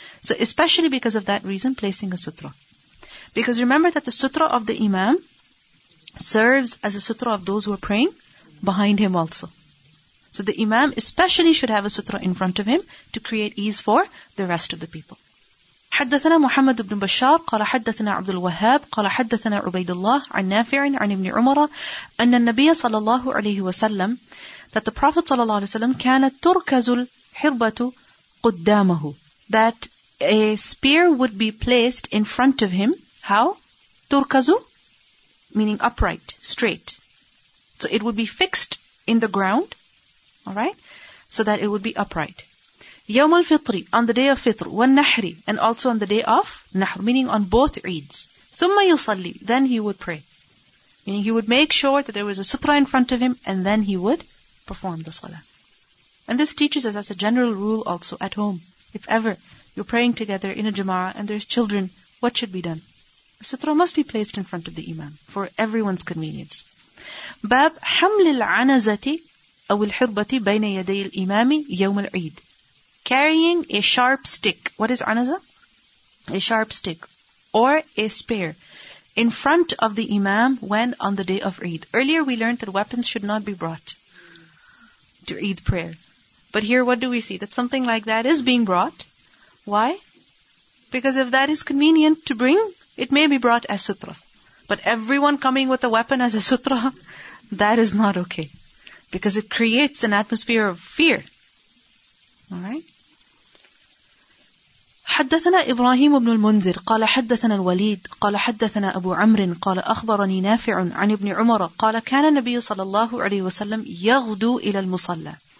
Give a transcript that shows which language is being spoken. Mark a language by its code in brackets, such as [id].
[en] So especially because of that reason, placing a sutra. Because remember that the sutra of the imam serves as a sutra of those who are praying behind him also. So the imam especially should have a sutra in front of him to create ease for the rest of the people. [ar] حدثنا محمد بن بشار قال حدثنا عبد الوهاب قال حدثنا عبيد الله عن نافع عن ابن عمر أن النبي صلى الله عليه وسلم [en] that the Prophet [ar] صلى الله عليه وسلم كانت تركز الحربة قدامه [en] that a spear would be placed in front of him. How? تركز meaning upright, straight. So it would be fixed in the ground, all right, so that it would be upright. [ar] يوم الفطر, [en] on the day of Fitr, [ar] والنحر, [en] and also on the day of Nahr, meaning on both Eids. [ar] ثم يصلي, [en] then he would pray. Meaning he would make sure that there was a sutra in front of him, and then he would perform the salah. And this teaches us as a general rule also at home. If ever you're praying together in a jama'ah and there's children, what should be done? A sutra must be placed in front of the imam for everyone's convenience. [ar] باب حمل العنزة أو الحربة بين يدي الإمام يوم العيد. [en] Carrying a sharp stick. What is anaza? A sharp stick. Or a spear. In front of the imam when on the day of Eid. Earlier we learned that weapons should not be brought to Eid prayer. But here what do we see? That something like that is being brought. Why? Because if that is convenient to bring, it may be brought as sutra. But everyone coming with a weapon as a sutra, that is not okay. Because it creates an atmosphere of fear. [ar] حدثنا إبراهيم بن المنذر قال حدثنا الوليد قال حدثنا أبو عمرو قال أخبرني نافع عن ابن عمر قال كان النبي صلى الله عليه وسلم يغدو إلى المصلى.